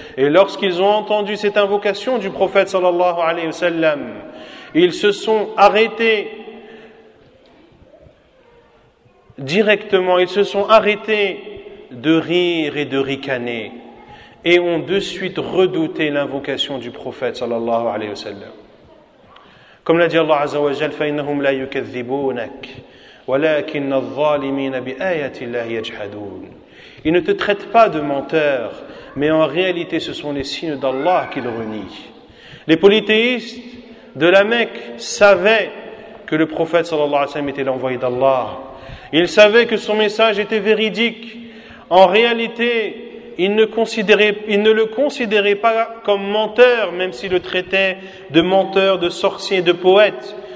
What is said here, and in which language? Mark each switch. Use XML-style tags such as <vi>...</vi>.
<fr>Et lorsqu'ils ont entendu cette invocation du prophète sallallahu alayhi wa sallam, ils se sont arrêtés directement, ils se sont arrêtés de rire et de ricaner, et ont de suite redouté l'invocation du prophète sallallahu alayhi wa sallam.</fr> <ar>Comme l'a dit Allah Azza wa Jal: فَإِنَّهُمْ لَا يُكَذِّبُونَكْ وَلَكِنَّ الظَّالِمِينَ بِآيَةِ اللَّهِ يَجْحَدُونَ.</ar> <fr>Ils ne te traitent pas de menteur, mais en réalité ce sont les signes d'Allah qu'ils renient. Les polythéistes de la Mecque savaient que le prophète sallallahu alayhi wa sallam était l'envoyé d'Allah. Ils savaient que son message était véridique. En réalité, il ne le considérait pas comme menteur, même s'il le traitait de menteur, de sorcier, de poète.</fr>